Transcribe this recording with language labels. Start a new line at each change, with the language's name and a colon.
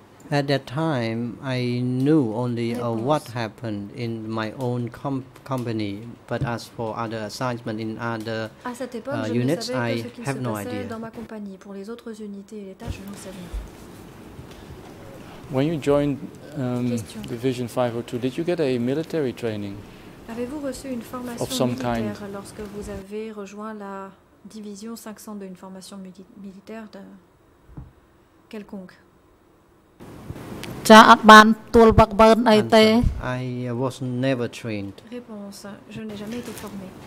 English: At that time, I knew only what happened in my own company, but as for other assignments in other units, I have no idea.
French: Dans ma compagnie, pour les autres unités et les tâches, je n'en sais rien.
English: When you joined Division 502, did you get a military training?
French: Avez-vous reçu une formation
English: of some
French: militaire
English: kind?
French: Lorsque vous avez rejoint la Division 502, une formation militaire de quelconque?
English: I was never trained.
French: Réponse, je n'ai jamais été formé.